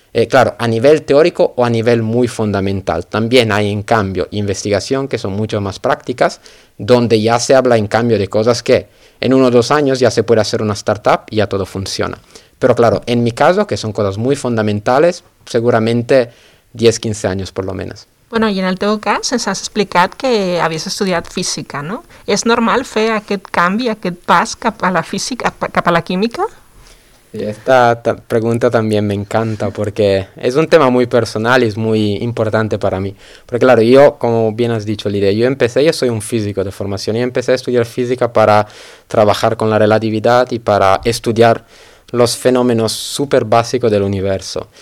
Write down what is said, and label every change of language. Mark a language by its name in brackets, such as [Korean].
[Spanish] Claro, a nivel teórico o a nivel muy fundamental. También hay, en cambio, investigación, que son mucho más prácticas, donde ya se habla, en cambio, de cosas que en 1 o 2 años ya se puede hacer una startup y ya todo funciona. Pero claro, en mi caso, que son cosas muy fundamentales, seguramente 10, 15 años por lo menos. [Catalan] Bueno, i en el teu cas ens has explicat que havies estudiat física, no? És normal fer aquest canvi, aquest pas cap a la física, cap a la química? [Spanish] Sí, esta pregunta también me encanta porque es un tema muy personal y es muy importante para mí. Porque claro, yo, como bien has dicho, Lidia, yo soy un físico de formación, y empecé a estudiar física para trabajar con la relatividad y para estudiar los fenómenos súper básicos del universo.